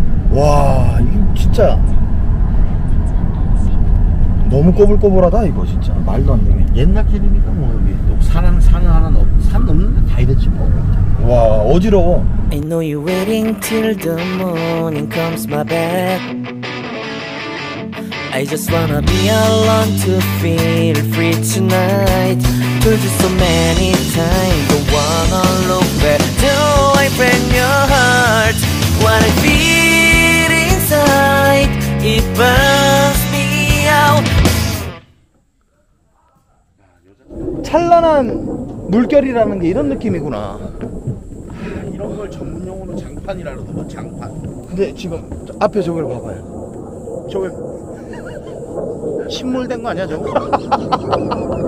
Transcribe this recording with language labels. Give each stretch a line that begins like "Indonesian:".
Korean: 와, 이거 진짜 너무 꼬불꼬불하다 이거 진짜 말도 안 되네. 옛날 길이니까 뭐 여기 또 산 하나 산 없는데 다 이랬지 뭐. 와, 어지러워.
English: I know you waiting till the morning comes my back. I just wanna be alone to feel free tonight. Told you so many times, don't wanna look back. Till I break your heart, what I feel inside, it burns me out.
Korean: 찬란한 물결이라는 게 이런 느낌이구나. 이런 걸 전문용어로 장판이라고 하던 장판. 근데 지금 앞에 저걸 봐봐요. 저걸 침몰된 거 아니야 저거?